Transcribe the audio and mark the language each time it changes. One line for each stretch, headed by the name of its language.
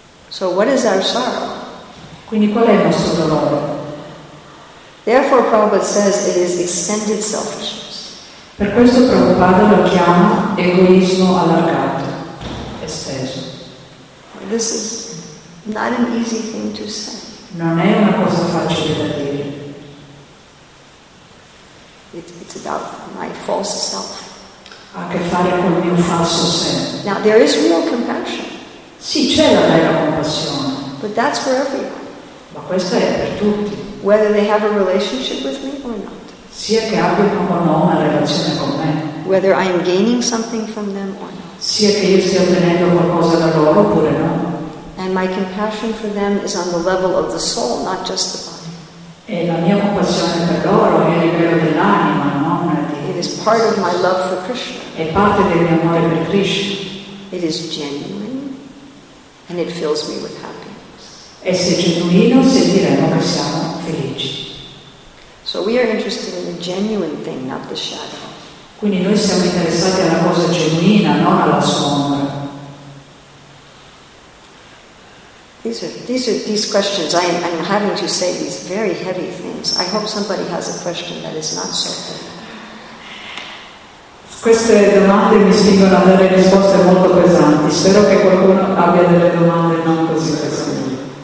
English: So what is our sorrow?
Italian: Quindi qual è il nostro dolore?
English: Therefore Prabhupada says it is extended selfishness.
Italian: Per questo Prabhupada lo chiama egoismo allargato, esteso.
English: This is not an easy thing to say.
Italian: Non è una cosa facile da dire.
English: It's about my false self.
Italian: Ha a che fare con il mio falso sé.
English: Now there is real compassion.
Italian: Sì, c'è la vera compassione.
English: But that's for everyone.
Italian: Ma questo è per tutti.
English: Whether they have a relationship with me or not.
Italian: Sia che abbiano o no una relazione con me.
English: Whether I am gaining something from them or not.
Italian: Sia che io stia ottenendo qualcosa da loro oppure no.
English: And my compassion for them is on the level of the soul, not just the body.
Italian: E la mia compassione per loro è a livello dell'anima, non di.
English: It is part of my love for Krishna.
Italian: È parte del mio amore per Krishna.
English: It is genuine, and it fills me with happiness.
Italian: E se genuino sentiremo che siamo felici.
English: So we are interested in the genuine thing, not the shadow.
Italian: Quindi noi siamo interessati alla cosa genuina, non alla sombra.
English: These questions. I'm having to say these very heavy things. I hope somebody has a question that is not so heavy.
Italian: Queste domande mi spingono a dare risposte molto pesanti. Spero che qualcuno abbia delle domande non così pesanti.